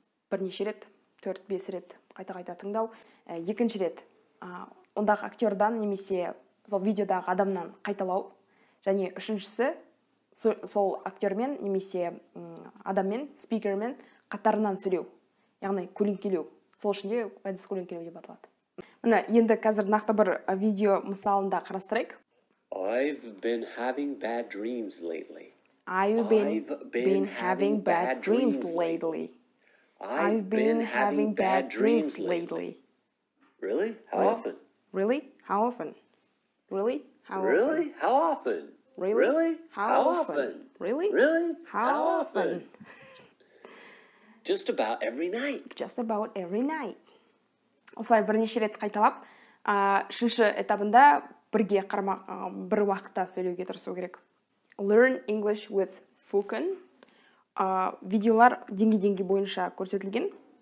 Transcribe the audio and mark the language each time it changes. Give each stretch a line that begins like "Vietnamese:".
Kazakh: Бірнеше рет 4-5 рет қайта-қайта тыңдау. Екінші рет ондағы актердан немесе сол видеодағы адамнан қайталау. Және үшіншісі сол актермен немесе адаммен, спикермен қатарынан сөйлеу. Яғни көлеңкелеу. Сол үшінде әдіс көлеңкелеу деп аталады. Міне, енді қазір нақты бір видео мысалында қарастырайық.
English: I've been having bad dreams lately. I've been having bad dreams lately. I've been having bad dreams lately. Really? How often? Really? How often? Really? How often? Really? How often? Really? Really? How often? Really? Really? How often? Just about every night. Just about every night.
Kazakh: Осылай бірнеше рет қайталап, үшінші этабында бірге қарама, бір уақытта сөйлеуге тұрсу керек.
English: Learn English with Fukun.
Kazakh: Видеолар деңгей-деңгей бойынша көрсетілген.